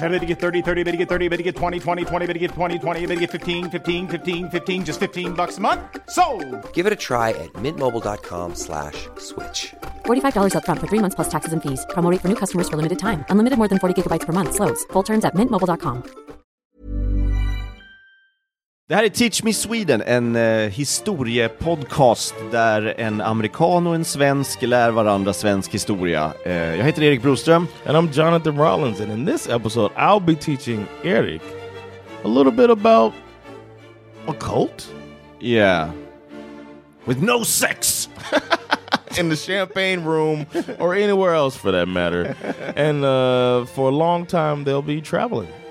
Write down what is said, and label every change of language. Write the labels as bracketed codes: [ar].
[en] I bet you get 30, 30, I bet you get 30, I bet you get 20, 20, 20, I bet you get 20, 20, I bet you get 15, 15, 15, 15, just $15 a month, sold. Give it a try at mintmobile.com/switch. $45 up front for 3 months plus taxes and fees. Promo rate for new customers for limited time. Unlimited more than 40 gigabytes per month. Slows full terms at mintmobile.com. [sv] Det här är Teach Me Sweden, en historiepodcast där en amerikan och en svensk lär varandra svensk historia. Jag heter Erik Broström. [en] And I'm Jonathan Rollins, and in this episode I'll be teaching Erik a little bit about a cult. Yeah. With no sex. In the champagne room or anywhere else for that matter. And for a long time they'll be traveling.